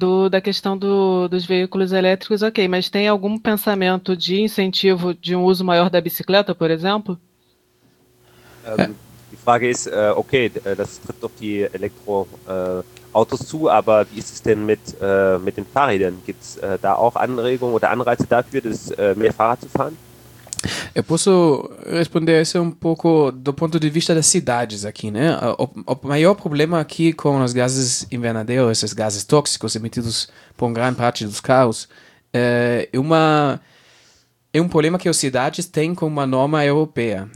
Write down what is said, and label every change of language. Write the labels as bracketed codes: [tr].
[pt] Da questão dos veículos elétricos, ok. Mas tem algum pensamento de incentivo de um uso maior da bicicleta, por exemplo? [de] Die Frage ist, okay, das trifft auf die Elektroautos zu, aber wie ist es denn mit den Fahrrädern? Gibt es da auch Anregungen oder Anreize dafür, mehr Fahrrad zu fahren? [pt] Eu posso responder isso um pouco do ponto de vista das cidades aqui, né? O maior problema aqui com os gases invernadeiros, esses gases tóxicos emitidos por grande parte dos carros, é um problema que as cidades têm com uma norma europeia.